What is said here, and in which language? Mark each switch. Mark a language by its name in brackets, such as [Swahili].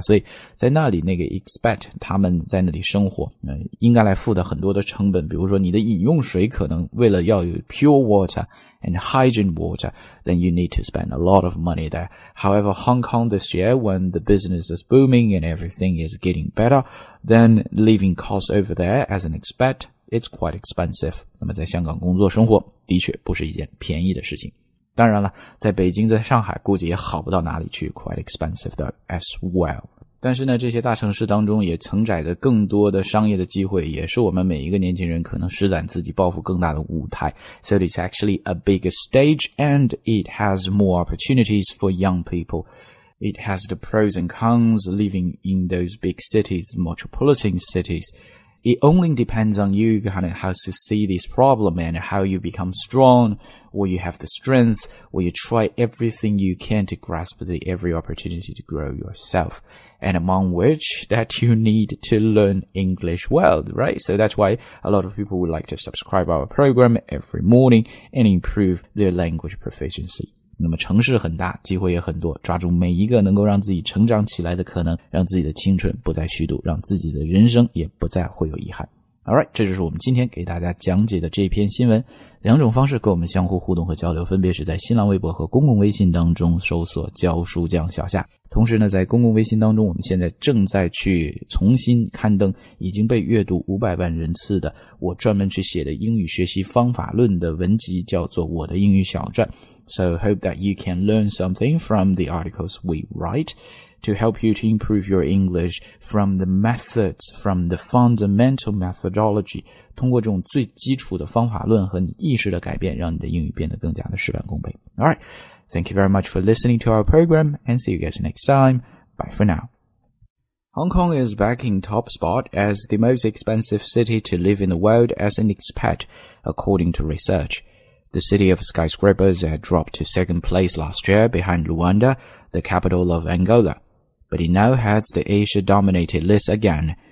[Chinese] 所以在那里那个 expat, 他们在那里生活应该来付的很多的成本，比如说你的饮用水可能为了要有 [English] pure water and hygiene water, then you need to spend a lot of money there. However, Hong Kong this year, when the business is booming and everything is getting better, then living costs over there as an expat,It's quite expensive. [Chinese] 那么在香港工作生活的确不是一件便宜的事情。当然了，在北京在上海估计也好不到哪里去， [English] quite expensive though as well. [Chinese] 但是呢这些大城市当中也承载着更多的商业的机会，也是我们每一个年轻人可能施展自己抱负更大的舞台。 [English] So it's actually a bigger stage and it has more opportunities for young people. It has the pros and cons living in those big cities, metropolitan cities. It only depends on you kind of how to see this problem and how you become strong, or you have the strength, or you try everything you can to grasp the every opportunity to grow yourself. And among which that you need to learn English well, right? So that's why a lot of people would like to subscribe our program every morning and improve their language proficiency. [Chinese] 那么城市很大，机会也很多，抓住每一个能够让自己成长起来的可能，让自己的青春不再虚度，让自己的人生也不再会有遗憾。 [English] Alright, [Chinese] 这就是我们今天给大家讲解的这篇新闻。两种方式跟我们相互互动和交流，分别是在新浪微博和公共微信当中搜索教书匠小夏。同时呢，在公共微信当中我们现在正在去重新刊登已经被阅读500万人次的我专门去写的英语学习方法论的文集，叫做我的英语小传。 [English] So hope that you can learn something from the articles we write to help you to improve your English from the methods, from the fundamental methodology. [Chinese] 通过这种最基础的方法论和你意识的改变，让你的英语变得更加的事半功倍。 [English] All right, thank you very much for listening to our program and see you guys next time. Bye for now. Hong Kong is back in top spot as the most expensive city to live in the world as an expat, according to research. The city of skyscrapers had dropped to second place last year behind Luanda, the capital of Angola. But it now heads the Asia-dominated list again,